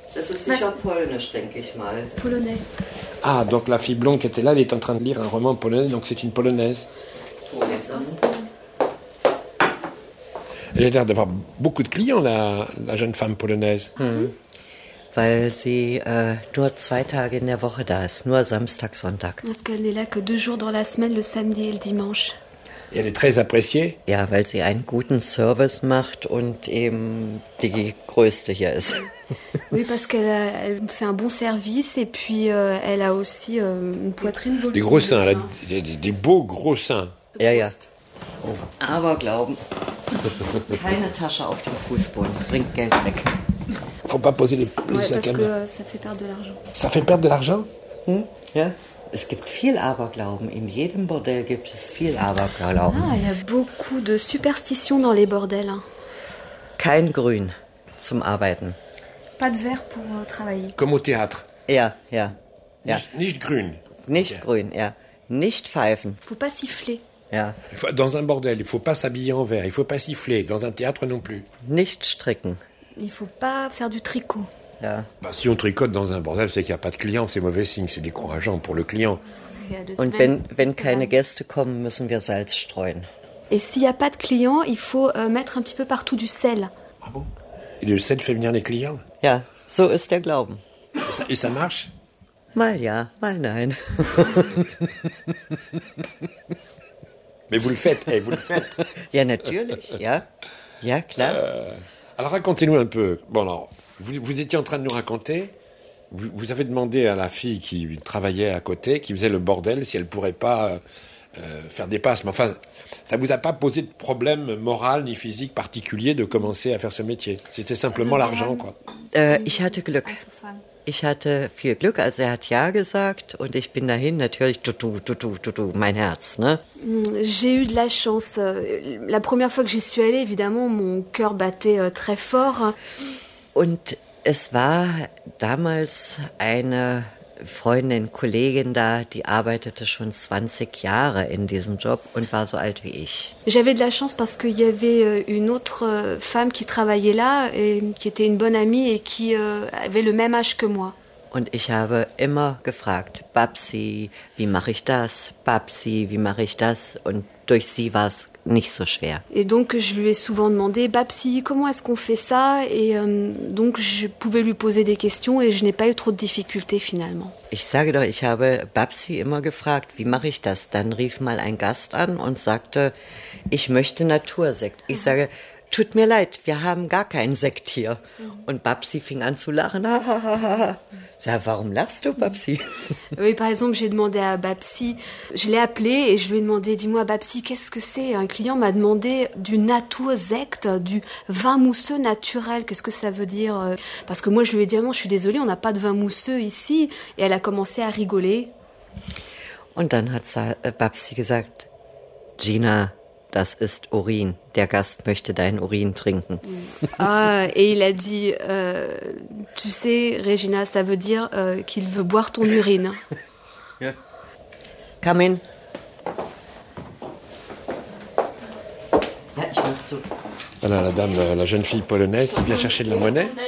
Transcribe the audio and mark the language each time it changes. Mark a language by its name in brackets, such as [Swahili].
[German] Das ist sicher polnisch, denke ich mal. [French] Polonais. Ah, donc la fille blonde qui était là, elle est en train de lire un roman polonais, donc c'est une polonaise. Elle a l'air d'avoir beaucoup de clients, la jeune femme polonaise. [German] Weil sie nur zwei Tage in der Woche da ist, nur Samstag, Sonntag. [French] Parce qu'elle n'est là que deux jours dans la semaine, le samedi et le dimanche. Et elle est très appréciée. [German] Ja, weil sie einen guten Service macht und eben die größte hier ist. [French] Oui, parce qu'elle fait un bon service et puis elle a aussi une poitrine volumineuse. Des gros seins, des beaux gros seins. [German] Ja, ja. Oh. Aber glauben, keine Tasche auf dem Fußboden bringt Geld weg. [French] Faut pas poser les sacs à main. Ouais, parce que ça fait perdre de l'argent. Ça fait perdre de l'argent? [German] Ja. Es gibt viel Aberglauben. In jedem Bordell gibt es viel Aberglauben. [French] Ah, il y a beaucoup de superstitions dans les bordels. [German] Kein grün zum Arbeiten. [French] Pas de vert pour travailler. Comme au théâtre. [German] Ja, ja. Ja. Nicht grün. Nicht grün, ja. Nicht pfeifen. [French] Faut pas siffler. [German] Ja. [French] Dans un bordel, il faut pas s'habiller en vert. Il faut pas siffler. Dans un théâtre non plus. [German] Nicht stricken. [French] Il faut pas faire du tricot. [English] Yeah. [French] Bah, si on tricote dans un bordel, c'est qu'il n'y a pas de client, c'est mauvais signe, c'est décourageant pour le client. [German] Und wenn keine Gäste kommen, müssen wir Salz streuen. [French] Et s'il n'y a pas de client, il faut mettre un petit peu partout du sel. Ah bon? Et le sel fait venir les clients? [German] Ja, so ist der Glauben. [French] Et ça marche? [German] Mal ja, mal nein. [French] Mais vous le faites, vous le faites. [German] Ja, natürlich, ja. Ja, klar. [French] Alors racontez-nous un peu. Bon, alors, vous étiez en train de nous raconter, vous avez demandé à la fille qui travaillait à côté, qui faisait le bordel, si elle pourrait pas faire des passes. Mais enfin, ça vous a pas posé de problème moral ni physique particulier de commencer à faire ce métier. C'était simplement l'argent, quoi. [German] Ich hatte Glück. ich hatte viel Glück, also er hat ja gesagt und ich bin dahin, natürlich, mein Herz, ne? [French] J'ai eu de la chance. La première fois que j'y suis allée, évidemment, mon cœur battait très fort. [German] Und es war damals eine Freundin, Kollegin da, die arbeitete schon 20 Jahre in diesem Job und war so alt wie ich. [French] J'avais de la chance parce qu'il y avait une autre femme qui travaillait là et qui était une bonne amie et qui avait le même âge que moi. [German] Und ich habe immer gefragt, Babsi, wie mache ich das? Babsi, wie mache ich das? Und durch sie war es nicht so schwer. [French] Et donc je lui ai souvent demandé, Babsi, comment est-ce qu'on fait ça? Et donc je pouvais lui poser des questions et je n'ai pas eu trop de difficultés finalement. [German] Ich sage doch, ich habe Babsi immer gefragt, wie mache ich das? Dann rief mal ein Gast an und sagte, ich möchte Natursekt. Ich sage, tut mir leid, wir haben gar keinen Sekt hier. Und Babsi fing an zu lachen. Ja, warum lachst du, Babsi? [French] Oui, par exemple, j'ai demandé à Babsi, je l'ai appelé et je lui ai demandé, dis-moi Babsi, qu'est-ce que c'est? Un client m'a demandé du Natursekt, du vin mousseux naturel. Qu'est-ce que ça veut dire? Parce que moi, je lui ai dit, non, je suis désolée, on n'a pas de vin mousseux ici. Et elle a commencé à rigoler. [German] Und dann hat Babsi gesagt, Gina, das ist Urin. Der Gast möchte deinen Urin trinken. [French] Ah, et il a dit, tu sais, Regina, ça veut dire qu'il veut boire ton urine. [German] Ja. [English] Come in. [French] Voilà la dame, la jeune fille polonaise qui vient chercher de la monnaie.